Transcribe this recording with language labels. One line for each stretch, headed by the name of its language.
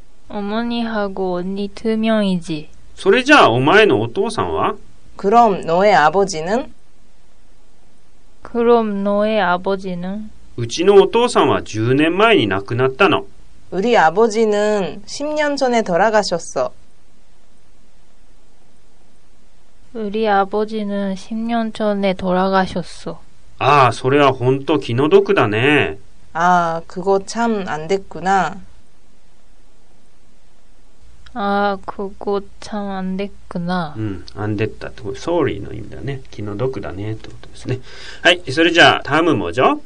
Korean: 어머니하고언니두명이지。
Japanese: それじゃあお前のお父さんは？
Korean: 그럼너의아버지는？ 그럼너의아버지는？
Japanese: うちのお父さんは10年前に亡くなったの。
Korean: 우리아버지는10년전에돌아가셨어。 우리아버지는10년전에돌아가셨어。
Japanese: ああ、それは本当気の毒だね。
Korean: ああ、그거참안됐구나。ああ、그거참안됐구나。
Japanese: うん、안됐다ってこと、sorry の意味だね。気の毒だねってことですね。はい、それじゃあ、タームもじゃ。